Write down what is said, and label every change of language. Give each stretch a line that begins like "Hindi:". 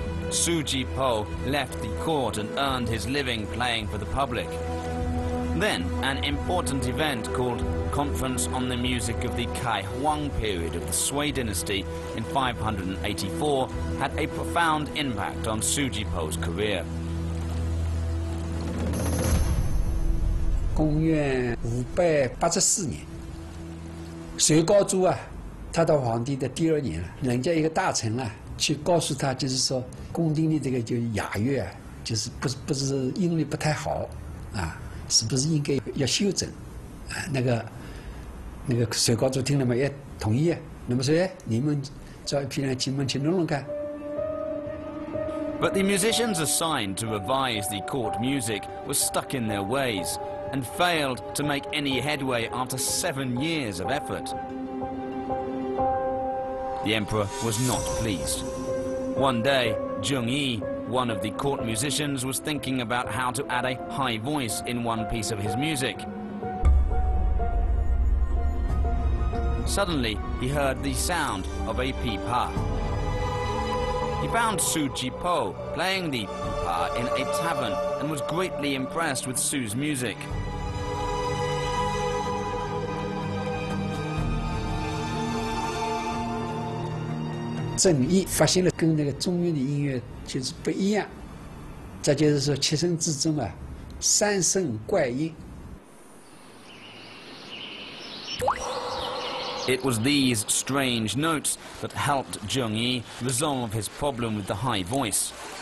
English: Su Jipo left the court and earned his living playing for the public. Then, an important event called Conference on the Music of the Kai Huang period of the Sui Dynasty in 584 had a profound impact on Su Jipo's career.
Chinese: 公元584年，隋高祖啊，他到皇帝的第二年了，人家一个大臣啊，去告诉他，就是说宫廷的这个就雅乐啊，就是不是音律不太好，啊，是不是应该要修整？啊，那个隋高祖听了嘛，也同意。那么说，你们找一批人去问去弄弄看。
English: But the musicians assigned to revise the court music were stuck in their ways. And failed to make any headway after 7 years of effort. The emperor was not pleased. One day, Zheng Yi, one of the court musicians, was thinking about how to add a high voice in one piece of his music. Suddenly, he heard the sound of a pipa. He found Su Jipo playing the pipa in a tavern and was greatly impressed with Su's music.
Chinese: 郑毅发现了跟那个中原的音乐就是不一样，这就是说切身之中啊，三声怪音。
English: It was these strange notes that helped Zheng Yi resolve his problem with the high voice.